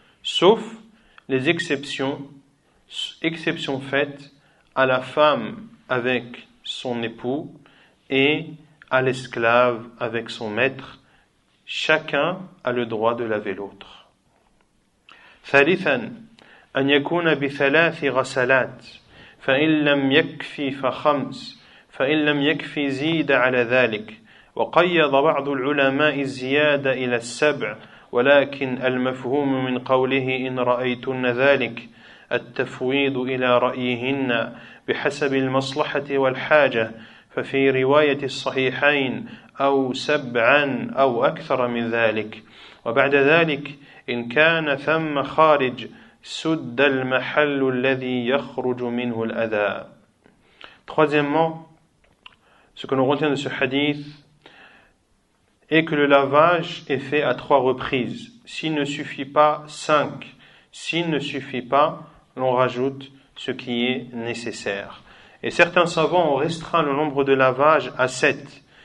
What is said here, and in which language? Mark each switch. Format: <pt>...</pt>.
<fr>Sauf les exceptions faites à la femme avec son époux et à l'esclave avec son maître. Chacun a le droit de laver l'autre.</fr> <ar>Thalithan, an yakuna bi thalathi ghasalat. فإن لم يكفي فخمس فإن لم يكفي زيد على ذلك وقيض بعض العلماء الزيادة إلى السبع ولكن المفهوم من قوله إن رأيتن ذلك التفويض إلى رأيهن بحسب المصلحة والحاجة ففي رواية الصحيحين أو سبعا أو أكثر من ذلك وبعد ذلك إن كان ثم خارج سُدَّ الْمَحَلُّ الَّذِي يَخْرُجُ مِنْهُ الْأَذَى.</ar> <fr>Troisièmement, ce que l'on retient de ce hadith est que le lavage est fait à trois reprises. S'il ne suffit pas, cinq. S'il ne suffit pas, l'on rajoute ce qui est nécessaire. Et certains savants ont restreint le nombre de lavages à sept.</fr>